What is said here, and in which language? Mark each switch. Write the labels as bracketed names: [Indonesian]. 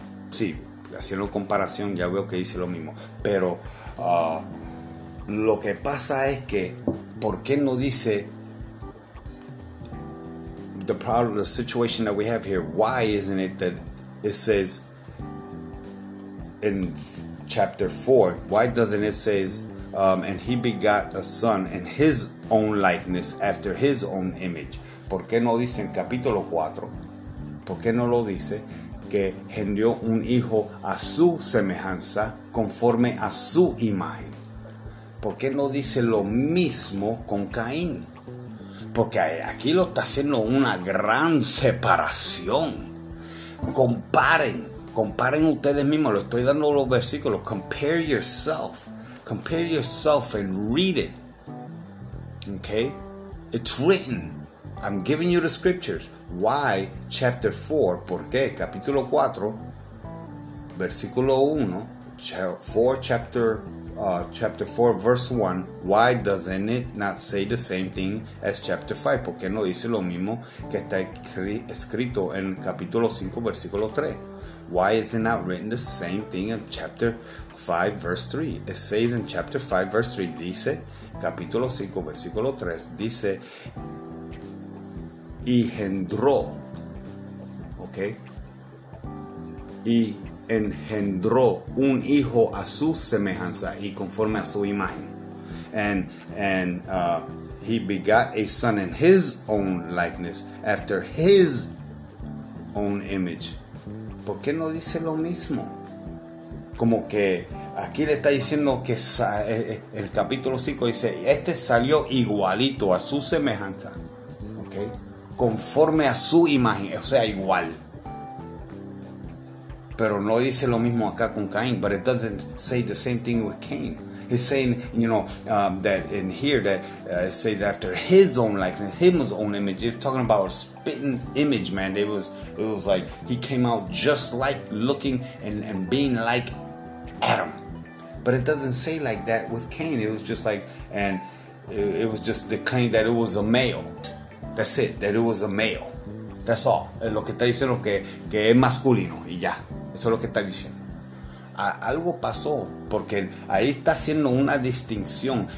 [Spanish] Sí, haciendo comparación ya veo que dice lo mismo. Pero lo que pasa es que, ¿por qué no dice? [English] The problem, the situation that we have here, why isn't it that it says in chapter 4, why doesn't it say, and he begot a son in his own likeness after his own image? [Spanish] ¿Por qué no dice en capítulo 4? ¿Por qué no lo dice que engendró un hijo a su semejanza conforme a su imagen? ¿Por qué no dice lo mismo con Caín? Porque aquí lo está haciendo una gran separación. Comparen ustedes mismos. Le estoy dando los versículos. [English] Compare yourself. Compare yourself and read it. Okay? It's written. I'm giving you the scriptures. Why chapter 4? [Spanish] ¿Por qué? Capítulo 4, versículo 1, [English] chapter 4, verse 1. Why doesn't it not say the same thing as chapter 5? [Spanish] ¿Por qué no dice lo mismo que está escrito en capítulo 5, versículo 3? [English] Why is it not written the same thing in chapter 5, verse 3? It says in chapter 5, verse 3, [Spanish] dice, capítulo 5, versículo 3, dice, y engendró, ok, y engendró un hijo a su semejanza y conforme a su imagen. [English] And he begot a son in his own likeness after his own image. [Spanish] ¿Por qué no dice lo mismo? Como que aquí le está diciendo que el capítulo 5 dice, este salió igualito a su semejanza, ok, conforme a su imagen, o sea, igual. Pero no dice lo mismo acá con Caín. [English] But it doesn't say the same thing with Cain. It's saying, you know, that in here that it says after his own likeness, his own image. You're talking about a spitting image, man. It was like he came out just like looking and being like Adam. But it doesn't say like that with Cain. It was just like, and it was just the claim that it was a male. That's it, that it was a male. That's all. [Spanish] Es lo que está diciendo que es masculino y ya. Eso es lo que está diciendo. Algo pasó porque ahí está haciendo una distinción.